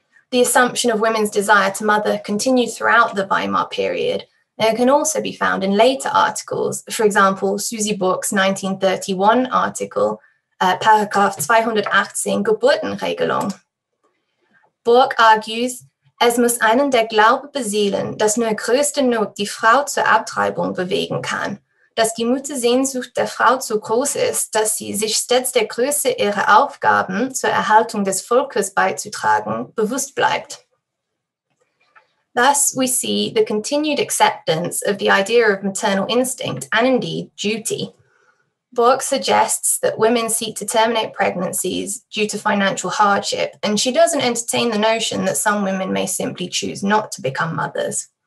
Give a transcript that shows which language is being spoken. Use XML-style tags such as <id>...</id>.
<en>The assumption of women's desire to mother continued throughout the Weimar period, and it can also be found in later articles, for example, Susie Burke's 1931 article, Paragraph 218 Geburtenregelung. Burke argues,</en> <de>es muss einen der Glaube beseelen, dass nur größte Not die Frau zur Abtreibung bewegen kann, dass die Muttersehnsucht der Frau zu groß ist, dass sie sich stets der Größe ihrer Aufgaben zur Erhaltung des Volkes beizutragen bewusst bleibt.</de> <en>Thus, we see the continued acceptance of the idea of maternal instinct and indeed duty. Burke suggests that women seek to terminate pregnancies due to financial hardship, and she doesn't entertain the notion that some women may simply choose not to become mothers.</en>